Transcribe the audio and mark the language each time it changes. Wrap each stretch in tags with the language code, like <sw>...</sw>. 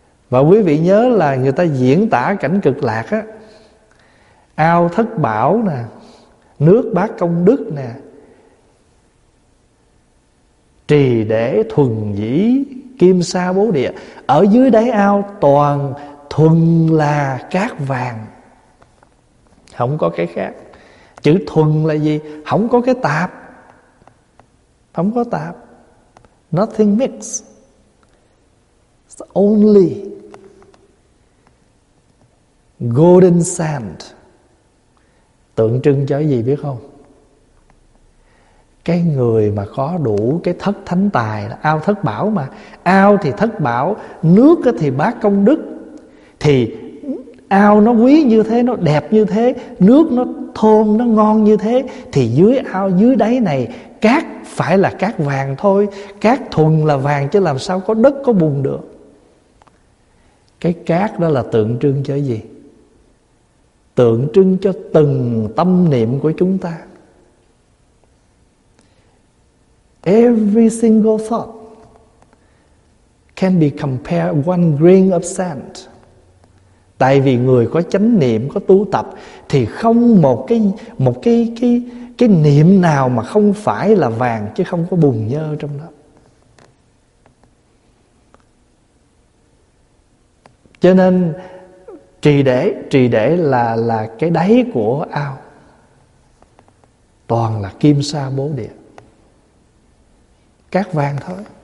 <vi>Và quý vị nhớ là người ta diễn tả cảnh cực lạc á, ao thất bảo nè, nước bát công đức nè, trì để thuần dĩ kim sa bố địa. Ở dưới đáy ao toàn thuần là cát vàng, không có cái khác. Chữ thuần là gì? Không có cái tạp, không có tạp.</vi> <en>Nothing mix, it's only golden sand.</en> <vi>Tượng trưng cho cái gì biết không? Cái người mà có đủ cái thất thánh tài là ao thất bảo mà. Ao thì thất bảo, nước thì bát công đức. Thì ao nó quý như thế, nó đẹp như thế, nước nó thơm, nó ngon như thế, thì dưới ao, dưới đáy này cát phải là cát vàng thôi. Cát thuần là vàng chứ làm sao có đất có bùn được. Cái cát đó là tượng trưng cho cái gì? Tượng trưng cho từng tâm niệm của chúng ta.</vi> <en>Every single thought can be compared one grain of sand.</en> <vi>Tại vì người có chánh niệm, có tu tập, thì không một cái, một cái niệm nào mà không phải là vàng chứ không có bùn nhơ trong đó. Cho nên trì để là cái đáy của ao toàn là kim sa bố địa, cát vàng thôi.</vi>